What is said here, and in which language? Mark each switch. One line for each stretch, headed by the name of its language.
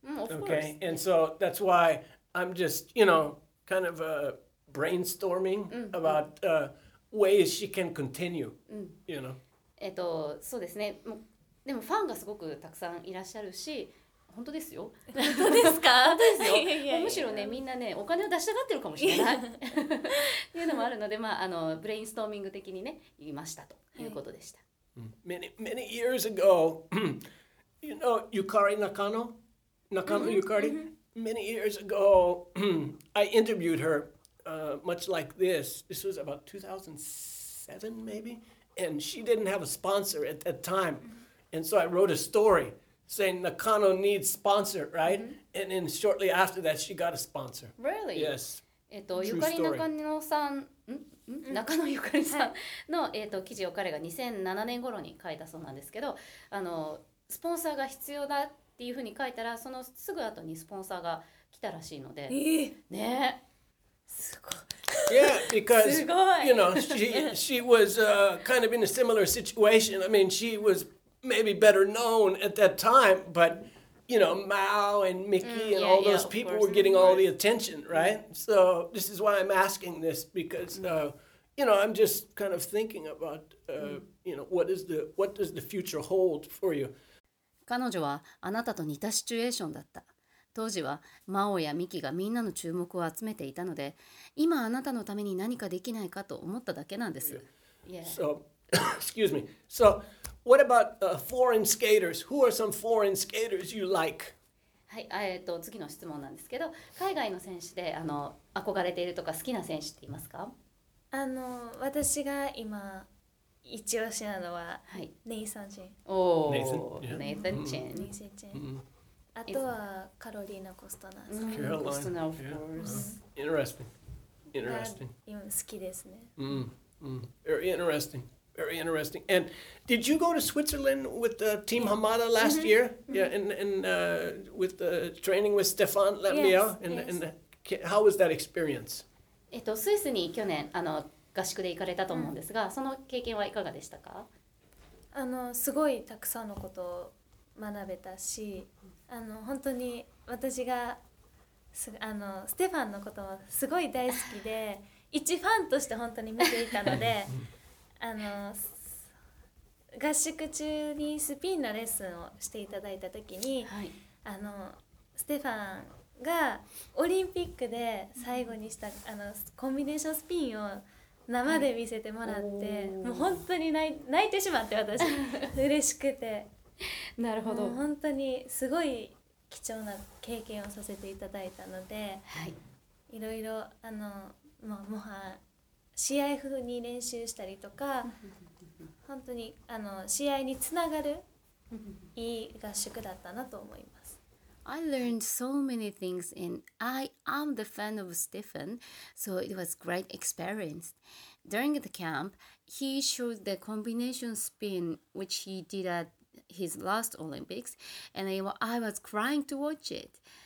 English: Of course. And so that's why I'm just, you know, kind of brainstorming about ways she can continue, you know.
Japanese: そうですね。でもファンがすごくたくさんいらっしゃるし、本当ですよ。本当ですか？本当ですよ。むしろね、みんなね、お金を出したがってるかもしれないっていうのもあるので、まあブレインストーミング的にね、言いましたということでした。
English: Many, many years ago, you know, Yukari Nakano? Nakano Yukari? Many years ago, I interviewed her much like this. This was about 2007, maybe? And she didn't have a sponsor at that time. And so I wrote a story. Saying Nakano needs sponsor, right? Mm-hmm. And then shortly after that, she got a sponsor. Really? Yes. True story. Yukari Nakano-san
Japanese: 中野ゆかりさんの、はい、記事を彼が2007年頃に書いたそうなんですけど、あのスポンサーが必要だっていうふうに書いたら、そのすぐ後にスポンサーが来たらしいので、ね、すごい。
English: Yeah, because you know she was、kind of in a similar situation. I mean, she was maybe better known at that time, but you know Mao and Mickey、mm, and all yeah, those people were getting all the attention, right? So this is why I'm asking this because、mm. You know I'm just kind of thinking about、mm. you know what does the future hold for you?
Japanese: 彼女はあなたと似たシチュエーションだった。当時はマオやミキがみんなの注目を集めていたので、今あなたのために何かできないかと思っただけなんです。
English: Yeah. So, excuse me. So, what about、foreign skaters? Who are some foreign skaters you like?
Japanese: はい、次の質問なんですけど、海外の選手であの憧れているとか好きな選手っていますか？あの、私が今一押しなのは、はい、ネイサン・チェン。おお、ネイサン・チェン。ネイサン・チェン。あとはカロリーナ・コストナカロリーナ・コストナー、
English: of course. Interesting. Interesting.
Japanese: 今好きですね。
English: Very interesting. Very interesting. And did you go to Switzerland with the Team Hamada last year? Yeah, and with the training with Stefan Lemieux? Yes, and how was that experience?
Japanese: スイスに去年あの合宿で行かれたと思うんですが、その経験はいかがでしたか？あのすごいたくさんのことを学べたし、あの本当に私がすあのステファンのこともすごい大好きで一ファンとして本当に見ていたのであの合宿中にスピンのレッスンをしていただいた時に、はい、あのステファンがオリンピックで最後にしたあのコンビネーションスピンを生で見せてもらって、はい、もう本当に泣いてしまって私嬉しくて。なるほど。本当にすごい貴重な経験をさせていただいたので、はい、いろいろあの、まあ、もはや試合風に練習したりとか本当にあの試合につながるいい合宿だったなと思います。
English: I learned so many things and I am the fan of Stefan, so it was great experience. During the camp, he showed the combination spin which he did athis last Olympics, and I was crying to watch it.